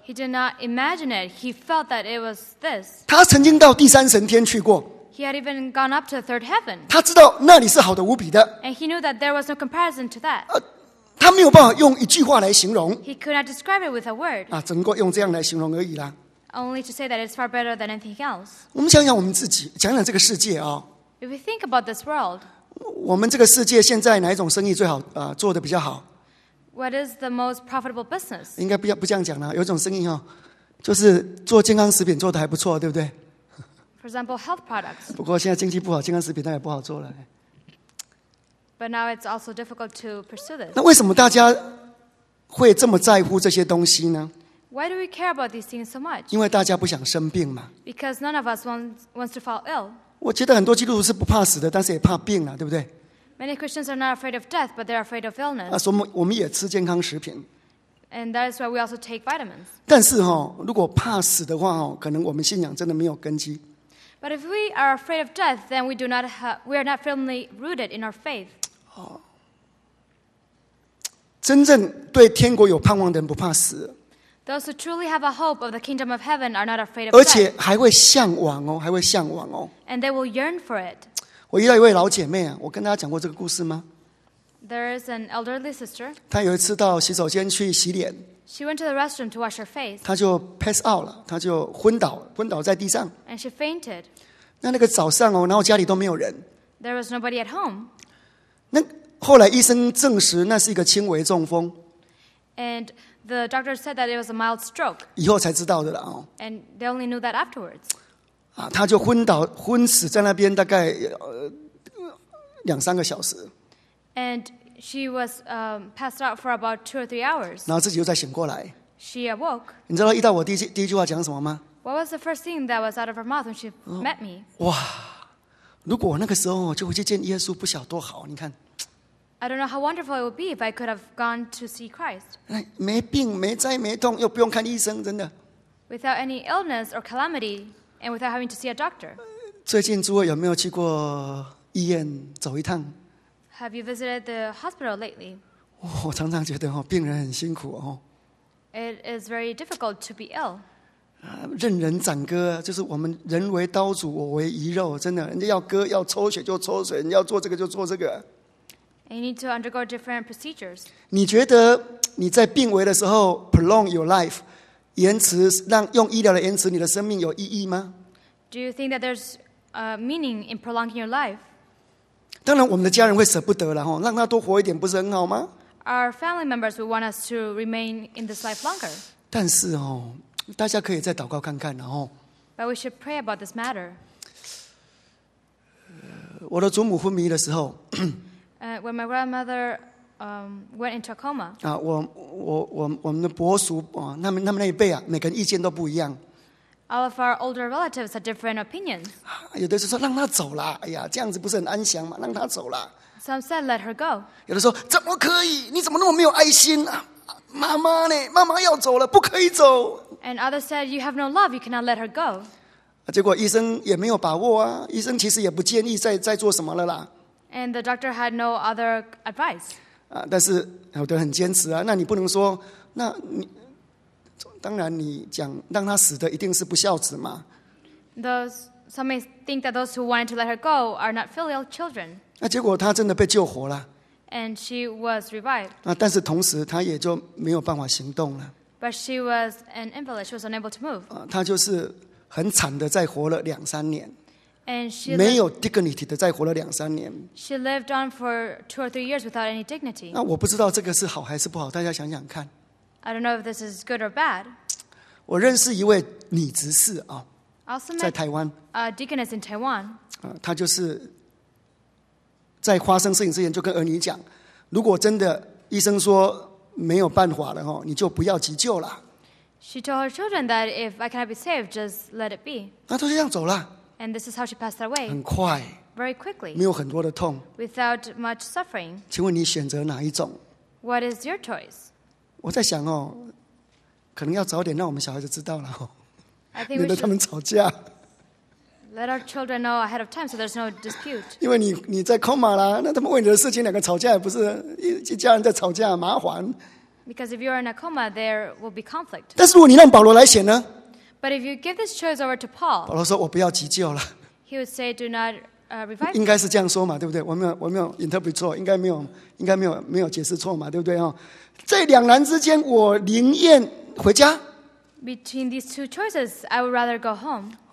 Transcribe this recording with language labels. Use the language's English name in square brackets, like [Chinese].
[English] He did not imagine it. He felt that it was this. [Chinese] 他曾经到第三层天去过。 [English] He had even gone up to the third heaven. [Chinese] 他知道那里是好的无比的。 [English] And he knew that there was no comparison to that. [Chinese] 他没有办法用一句话来形容。 [English] He could not describe it with a word. [Chinese] 只能够用这样来形容而已啦。 [English] Only to say that it's far better than anything else. [Chinese] 我们想想我们自己，想想这个世界啊。 [English] If we think about this world, [Chinese] 我们这个世界现在哪一种生意最好做得比较好？ [English] What is the most profitable business? [Chinese] 应该不这样讲啦，有种生意哦，就是做健康食品做得还不错，对不对？ [English] For example, health products. [Chinese] 不过现在经济不好，健康食品当然不好做了。 [English] But now it's also difficult to pursue this. [Chinese] 那为什么大家会这么在乎这些东西呢？ [English] Why do we care about these things so much? [Chinese] 因为大家不想生病嘛。 [English] Because none of us wants to fall ill. [Chinese] 我觉得很多基督徒是不怕死的，但是也怕病啊，对不对？ [English] Many Christians are not afraid of death, but they're afraid of illness. [Chinese] 所以我们也吃健康食品。 [English] And that is why we also take vitamins. [Chinese] 但是哈，如果怕死的话哦，可能我们信仰真的没有根基。 [English] But if we are afraid of death, then we are not firmly rooted in our faith. [Chinese] 真正对天国有盼望的人不怕死。 [English] Those who truly have a hope of the kingdom of heaven are not afraid of death. [Chinese] 而且还会向往哦，还会向往哦。 [English] And they will yearn for it. [Chinese] 我遇到一位老姐妹啊，我跟大家讲过这个故事吗？ [English] There is an elderly sister. [Chinese] 她有一次到洗手间去洗脸。 [English] She went to the restroom to wash her face. [Chinese] 她就 [English] pass out [Chinese] 了，她就昏倒在地上。 [English] And she fainted. [Chinese] 那个早上哦，然后家里都没有人。 [English] There was nobody at home. [Chinese] 那后来医生证实那是一个轻微中风。 [English] And the doctor said that it was a mild stroke. [Chinese] 以后才知道的了哦。 [English] And they only knew that afterwards. [Chinese] 她就昏死在那边大概两三个小时。 [English] And she was passed out for about 2 or 3 hours. [Chinese] 然后自己又再醒过来。 [English] She awoke. [Chinese] 你知道遇到我第一句话讲什么吗？ [English] What was the first thing that was out of her mouth when she met me? [Chinese] 哇，如果那个时候就回去见耶稣，不晓得多好！你看。 [English] I don't know how wonderful it would be if I could have gone to see Christ. [Chinese] 没病没灾没痛，又不用看医生，真的。 [English] Without any illness or calamity, and without having to see a doctor. [Chinese] 最近诸位有没有去过医院走一趟？ [English] Have you visited the hospital lately? [Chinese] 我常常觉得病人很辛苦哦。 [English] It is very difficult to be ill. [Chinese] 任人宰割，就是我们人为刀俎，我为鱼肉，真的，人家要割要抽血就抽血，人家要做这个就做这个。 [English] You need to undergo different procedures. [Chinese] 你觉得你在病危的时候 [English] prolong your life, [Chinese] 延迟让用医疗的延迟你的生命有意义吗？ [English] Do you think that there's a meaning in prolonging your life? [Chinese] 当然我们的家人会舍不得了，让他多活一点不是很好吗？ [English] Our family members would want us to remain in this life longer. [Chinese] 但是大家可以再祷告看看， [English] But we should pray about this matter. [Chinese] 我的祖母昏迷的时候 [English] When my grandmother went into a coma, [Chinese] 我们的伯叔他们那一辈啊，每个人意见都不一样。 [English] All of our older relatives had different opinions. [Chinese] 有的是说让他走了，哎呀，这样子不是很安详吗？让他走了。 [English] Some said let her go. [Chinese] 有的说怎么可以？你怎么那么没有爱心啊？妈妈呢？妈妈要走了，不可以走。 [English] And others said you have no love, you cannot let her go. [Chinese] 结果医生也没有把握啊，医生其实也不建议再做什么了啦。 [English] And the doctor had no other advice. [Chinese] 但是有的很坚持啊。那你不能说，那你当然你讲让他死的一定是不孝子嘛。 [English] Some may think that those who wanted to let her go are not filial children. [Chinese] 那结果他真的被救活了。 [English] And she was revived. [Chinese] 但是同时他也就没有办法行动了。 [English] But she was an invalid. She was unable to move. [Chinese] 他就是很惨的，再活了两三年。 [English] And she [Chinese] 没有 dignity 的再活了两三年。 [English] She lived on for 2 or 3 years without any dignity. [Chinese] 那我不知道这个是好还是不好，大家想想看。 [English] I don't know if this is good or bad. [Chinese] 我认识一位女执事啊，在台湾。 [English] A deaconess in Taiwan. [Chinese] 她就是在发生事情之前就跟儿女讲，如果真的医生说没有办法了你就不要急救了。 [English] She told her children that if I cannot be saved, just let it be. [Chinese] 那就这样走了。 [English] And this is how she passed away. [Chinese] 很快 [English] Very quickly. [Chinese] 没有很多的痛 [English] Without much suffering. [Chinese] 请问你选择哪一种？ [English] What is your choice? [Chinese] 我在想可能要早点让我们小孩子知道了 [English] I think [Chinese] 免得他们吵架 [English] Let our children know ahead of time so there's no dispute. [Chinese] 因为你在 coma 啦，那他们为你的事情两个吵架，不是一家人在吵架，麻烦。 [English] Because if you're in a coma, there will be conflict. [Chinese] 但是如果你让保罗来选呢？ [English] But if you give this choice over to Paul, [Chinese] 保罗说：“我不要急救了。” [English] He would say, "Do not revile." [Chinese] 应该是这样说嘛，对不对？我没有 interpret 错，应该没有解释错嘛，对不对？哈，在两难之间，我宁愿回家。 [English] Between these two choices, I would rather go home.